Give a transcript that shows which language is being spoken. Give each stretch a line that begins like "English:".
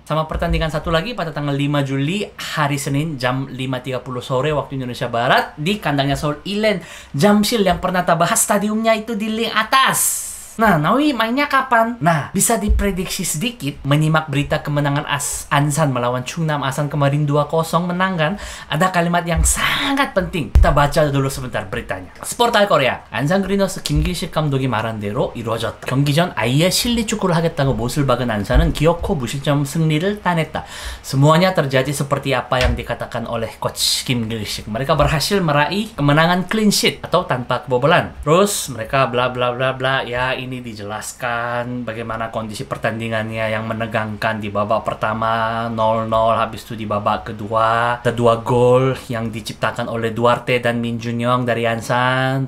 Indonesian: Sama pertandingan satu lagi pada tanggal 5 Juli hari Senin jam 5.30 sore waktu Indonesia Barat di kandangnya Seoul Ilen. Jamsil yang pernah kita bahas stadiumnya itu di link atas. Nah, Nawi mainnya kapan? Nah, bisa diprediksi sedikit, menyimak berita kemenangan Ansan melawan Chungnam Asan kemarin 2-0 menang kan? Ada kalimat yang sangat penting. Kita baca dulu sebentar beritanya. Sportal Korea.
Korean: Ansan 그린하우스 김기식 감독이 말한 대로 이루어졌다. 경기 전 아예 실리 축구를 하겠다고 못을 박은 안산은 기어코 무실점 승리를 따냈다.
Indonesian: Semuanya terjadi seperti apa yang dikatakan oleh coach 김기식. Mereka berhasil meraih kemenangan clean sheet atau tanpa kebobolan. Terus mereka bla bla bla bla ya. Ini dijelaskan bagaimana kondisi pertandingannya yang menegangkan di babak pertama 0-0, habis itu di babak kedua ada dua gol yang diciptakan oleh Duarte dan Min Junyong dari Ansan.